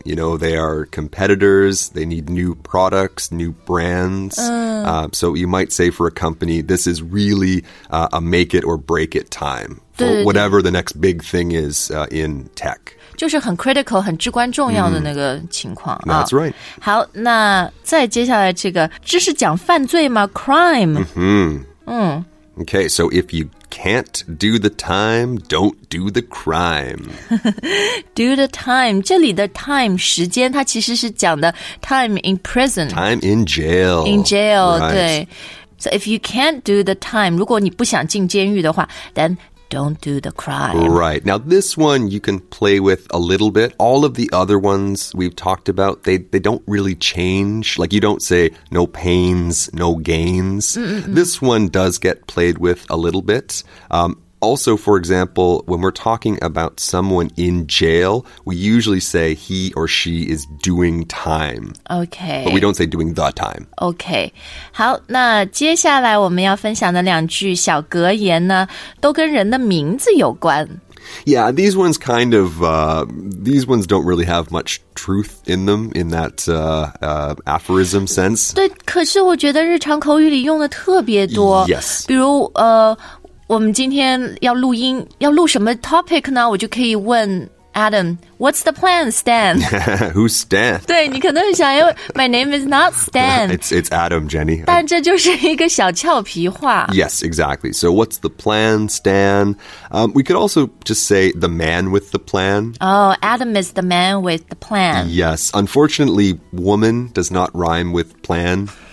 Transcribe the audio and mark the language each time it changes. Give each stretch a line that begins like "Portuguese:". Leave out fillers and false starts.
English: You know, they are competitors, they need new products, new brands. So you might say for a company, this is really a make it or break it time for whatever the next big thing is in tech.
Chinese: 就是很 critical, 很至关重要的那个情况。
English: That's right.
Chinese: 好，那再接下来这个，这是讲犯罪吗？
English: Crime. Okay, so if you can't do the time, don't do the crime. Do the time.
Chinese: 这里的 time, 时间，它其实是讲的
English: time in prison. Time in jail. In jail,、right.
Chinese: 对。
English: So if you can't do the time,
Chinese: 如果你不想进监狱的话
English: then... Don't do the crime. Right. Now, this one you can play with a little bit. All of the other ones we've talked about, they don't really change. Like, you don't say no pains, no gains. This one does get played with a little bit. Also, for example, when we're talking about someone in jail, we usually say he or she is doing time. Okay. But we don't say doing the time. Okay.
Chinese: 好，那接下来我们要分享的两句小格言呢，都跟人的名字有关。
English: Yeah, these ones kind of, these ones don't really have much truth in them, in that aphorism sense.
Chinese: 对，可是我觉得日常口语里用的特别多。
English: Yes.
Chinese: 比如我们今天要录音，要录什么 topic 呢？我就可以问 Adam,
English: "What's the plan, Stan?" Who's Stan?
Chinese: 对你可能很想，因为
English: My name is not Stan. It's Adam, Jenny.
Chinese: 但这就是一个小俏皮话。
English: Yes, exactly. So, what's the plan, Stan? We could also just say the man with the plan. Oh, Adam is the man with the plan. Yes, unfortunately, woman does not rhyme with plan.